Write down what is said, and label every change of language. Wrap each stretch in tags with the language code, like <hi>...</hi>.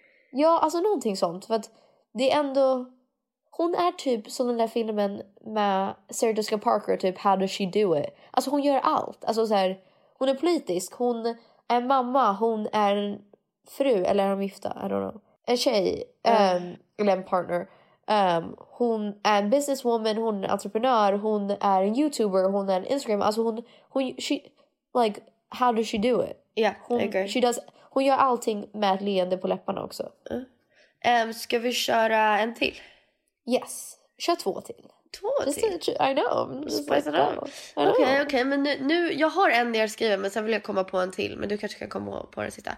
<sv>Ja, alltså någonting sånt. För att det är ändå... Hon är typ som den där filmen med Sarah Jessica Parker, typ How Does She Do It? Alltså hon gör allt. Alltså så här, hon är politisk, hon är mamma, hon är en fru, eller är de gifta?</sv> <en>I don't know.</en> <sv>En tjej, eller en partner. Hon är en businesswoman, hon är en entreprenör, hon är en youtuber, hon är en Instagram. Alltså hon,</sv> <en>she, like, how does she do it? Ja, yeah, I agree. She does,</en> <sv>hon gör allting med ett leende på läpparna också. Ska vi köra en till? Yes, kör två till. Två till?</sv> <en>I know. Spice it up.</en> <sv>Okej, men nu, jag har en ner skriven, men sen vill jag komma på en till. Men du kanske kan komma på den sista.</sv>